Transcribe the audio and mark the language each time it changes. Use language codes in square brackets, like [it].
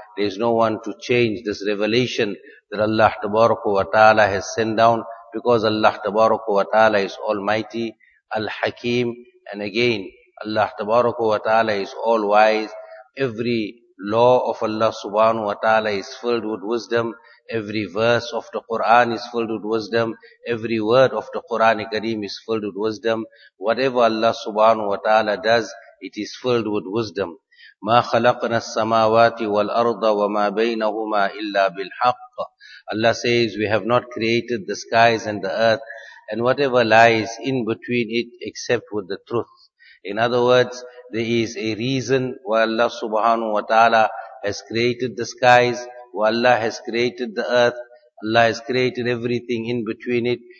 [en] There is no one to change this revelation that Allah tabaraka wa ta'ala has sent down, because Allah tabaraka wa ta'ala is Almighty, Al-Hakim, and again, Allah tabaraka wa ta'ala is All-Wise. Every law of Allah subhanahu wa ta'ala is filled with wisdom. Every verse of the Qur'an is filled with wisdom. Every word of the Qur'an Kareem is filled with wisdom. Whatever Allah subhanahu wa ta'ala does, it is filled with wisdom. [ar] ما خلقنا السماوات والأرض وما بينهما إلا بالحق. [en] Allah says, we have not created the skies and the earth and whatever lies in between it except with the truth. In other words, there is a reason why Allah subhanahu wa ta'ala has created the skies, why Allah has created the earth, Allah has created everything in between it.